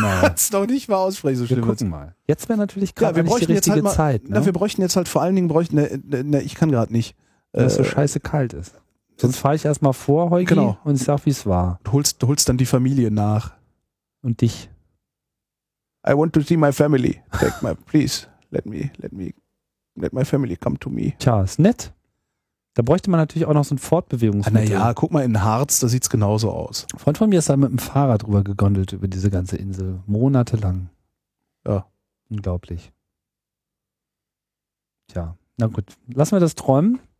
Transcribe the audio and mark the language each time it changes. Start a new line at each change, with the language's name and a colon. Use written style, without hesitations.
German: ich kann es doch nicht mal aussprechen, so schlimm wir wird's. Mal. Jetzt wäre natürlich gerade ja, nicht die richtige halt mal, Zeit. Ne? Na, wir bräuchten jetzt halt vor allen Dingen, ich kann gerade nicht. Weil es so scheiße kalt ist. Sonst fahre ich erstmal vor, Heugi, genau. Und ich sag, wie es war. Du holst dann die Familie nach. Und dich.
English: I want to see my family. Take my, please, let my family come to me.
German: Tja, ist nett. Da bräuchte man natürlich auch noch so ein Fortbewegungsmittel. Naja, guck mal in Harz, da sieht's genauso aus. Ein Freund von mir ist da mit dem Fahrrad rüber gegondelt über diese ganze Insel. Monatelang. Ja. Unglaublich. Tja, na gut. Lassen wir das träumen.